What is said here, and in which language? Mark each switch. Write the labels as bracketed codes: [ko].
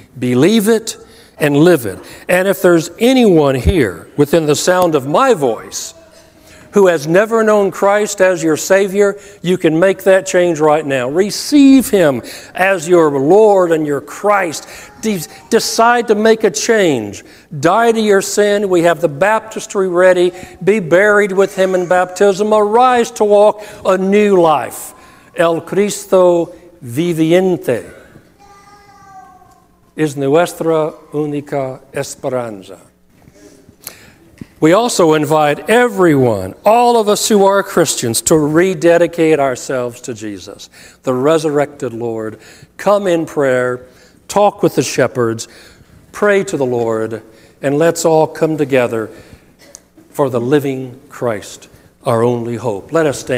[en] Believe it and live it. And if there's anyone here within the sound of my voice who has never known Christ as your Savior, you can make that change right now. Receive Him as your Lord and your Christ. Decide to make a change. Die to your sin. We have the baptistry ready. Be buried with Him in baptism. Arise to walk a new life. [es] El Cristo viviente es nuestra única esperanza. [en] We also invite everyone, all of us who are Christians, to rededicate ourselves to Jesus, the resurrected Lord. Come in prayer, talk with the shepherds, pray to the Lord, and let's all come together for the living Christ, our only hope. Let us stand.